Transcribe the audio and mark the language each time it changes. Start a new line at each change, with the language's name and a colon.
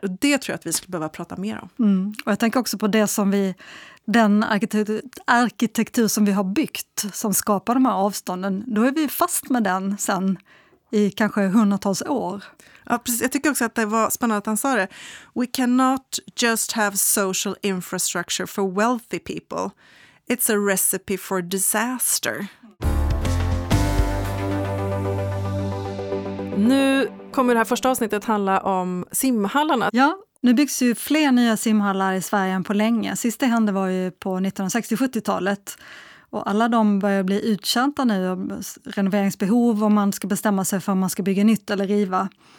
Swedish: Och det tror jag att vi skulle behöva prata mer om. Mm. Och jag tänker också på det som vi, den arkitektur som vi har byggt som skapar de här avstånden. Då är vi fast med den sen i kanske hundratals år. Ja, precis. Jag tycker också att det var spännande att han sa det.
English: We cannot just have social infrastructure for wealthy people. It's a recipe for disaster.
Swedish: Nu kommer det här första avsnittet handla om simhallarna. Ja, nu byggs ju fler nya simhallar i Sverige än på länge. Sist det hände var ju på 1960-70-talet. Och alla de börjar bli uttjänta nu, renoveringsbehov, om man ska bestämma sig för om man ska bygga nytt eller riva.